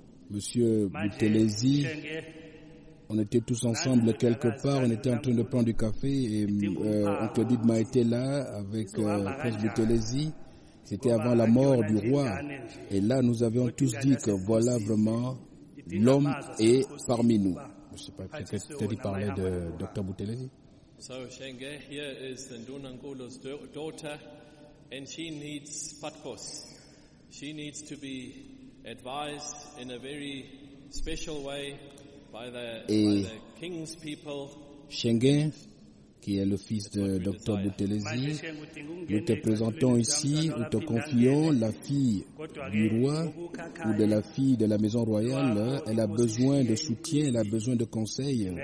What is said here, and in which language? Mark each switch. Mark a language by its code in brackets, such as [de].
[fr] Monsieur Boutelezi, on était tous ensemble quelque part, on était en train de prendre du café et Oncle Didma était là avec Frère Boutelezi. C'était avant la mort du roi. Et là, nous avions tous dit que voilà vraiment l'homme est parmi nous. Je ne sais pas qui t'a dit parler de Dr. Boutelezi. [en] So, Shenge, here is Ndunangulo's daughter and she needs patkos. She needs to be advised in a very special way by the king's people. [fr] Shenge, qui est le fils de Dr. Boutelezi, nous te présentons ici, nous te confions la fille du roi ou de la fille de la maison royale. Elle a besoin de soutien, elle a besoin de conseils.